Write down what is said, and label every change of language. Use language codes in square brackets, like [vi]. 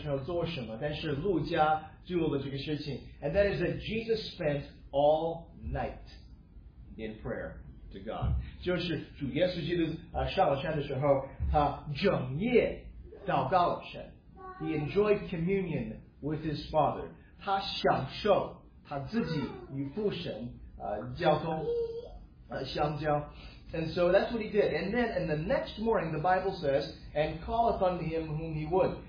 [zh] 马可福音没有告诉我们耶稣在山上的时候做什么，但是路加记录了这个事情。 [en] And that is that Jesus spent all night in prayer to God. [zh] 就是主耶稣基督上了山的时候，他整夜祷告了神。 [en] He enjoyed communion with his Father. [zh] 他享受。他自己与父神交通相交 [en] And so that's what he did. And then in the next morning, the Bible says, and calleth unto him whom he would.